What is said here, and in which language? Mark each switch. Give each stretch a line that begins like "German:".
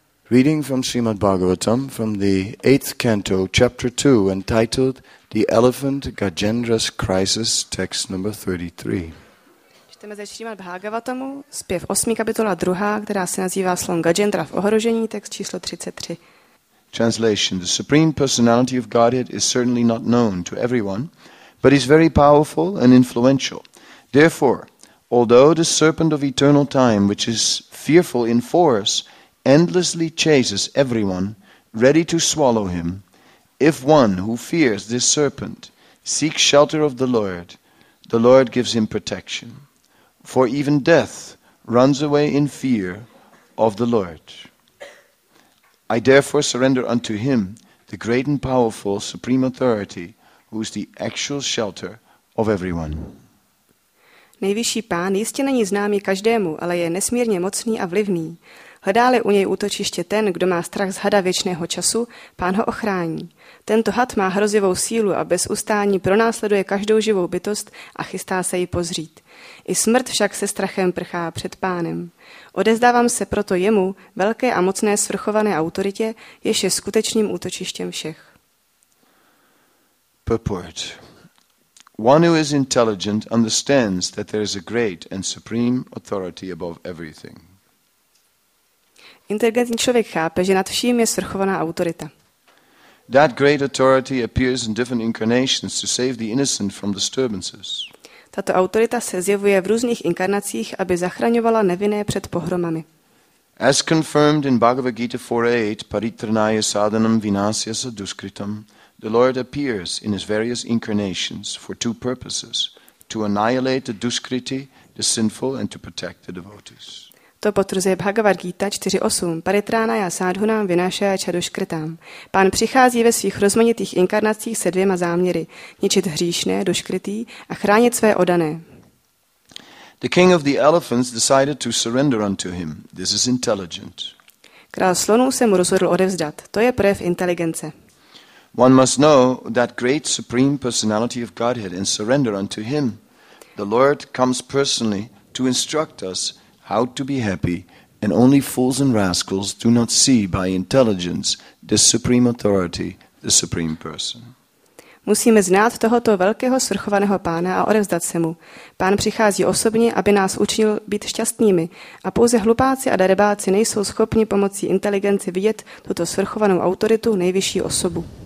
English: Reading from Srimad Bhagavatam from the 8th canto, chapter 2, entitled The Elephant Gajendra's Crisis, text number 33.
Czech: Čteme ze Srimad Bhagavatamu, zpěv 8. kapitola 2, která se nazývá Slon Gajendra v ohrožení, text číslo 33.
English: Translation: The Supreme Personality of Godhead is certainly not known to everyone, but is very powerful and influential. Therefore, although the serpent of eternal time, which is fearful in force, endlessly chases everyone, ready to swallow him, if one who fears this serpent seeks shelter of the Lord gives him protection. For even death runs away in fear of the Lord. I therefore surrender unto him the great and powerful supreme authority, who is the actual shelter of everyone.
Czech: Nejvyšší pán jistě není známý každému, ale je nesmírně mocný a vlivný. Hledá-li u něj útočiště ten, kdo má strach z hada věčného času, pán ho ochrání. Tento had má hrozivou sílu a bez ustání pronásleduje každou živou bytost a chystá se ji pozřít. I smrt však se strachem prchá před pánem. Odezdávám se proto jemu, velké a mocné svrchované autoritě, jež je skutečným útočištěm všech.
English: Purport. One who is intelligent understands that there is a great and supreme authority above everything.
Czech: Inteligentní člověk chápe, že nad vším je svrchovaná autorita.
English: That great authority appears in different incarnations to save the innocent from disturbances.
Czech: Tato autorita se zjevuje v různých inkarnacích, aby zachraňovala nevinné před pohromami.
English: As confirmed in Bhagavad Gita 4.8,
Sanskrit: paritranaya sadhanam vinasyasa duskritam,
English: the Lord appears in his various incarnations for two purposes, to annihilate the duskriti, the sinful, and to protect the devotees.
Czech: To potvrzuje Bhagavad Gita 4.8,
Sanskrit: paritranaya sadhanam vinasyasa duskritam.
Czech: Pán přichází ve svých rozmanitých inkarnacích se dvěma záměry, ničit hříšné, duskriti, a chránit své oddané.
English: The king of the elephants decided to surrender unto him. This is intelligent.
Czech: Král slonů se mu rozhodl odevzdat. To je projev inteligence.
English: One must know that great supreme personality of Godhead and surrender unto him. The Lord comes personally to instruct us how to be happy, and only fools and rascals do not see by intelligence the supreme authority, the supreme person.
Czech: Musíme znát tohoto velkého svrchovaného pána a odevzdat se mu. Pán přichází osobně, aby nás učinil být šťastnými, a pouze hlupáci a darebáci nejsou schopni pomocí inteligence vidět tuto svrchovanou autoritu, nejvyšší osobu.